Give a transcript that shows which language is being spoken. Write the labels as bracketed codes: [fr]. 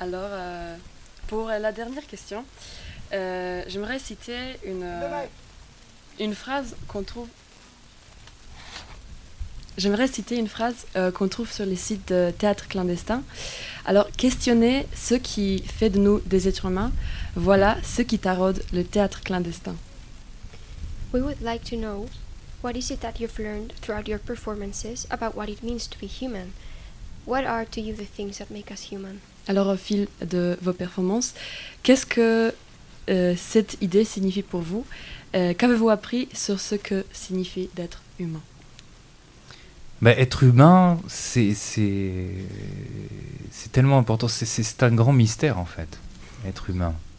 [fr] Alors, pour la dernière question, j'aimerais citer une phrase qu'on trouve sur les sites de théâtre clandestin. Alors, questionner ce qui fait de nous des êtres humains, voilà ce qui taraude le théâtre clandestin. [en] We would like to know what is it that you've learned throughout your performances about what it means to be human. What are to you the things that make us human? [fr] Alors, au fil de vos performances, qu'est-ce que cette idée signifie pour vous? Qu'avez-vous appris sur ce que signifie d'être humain? Bah, être humain, c'est tellement important. C'est un grand mystère, en fait, être humain.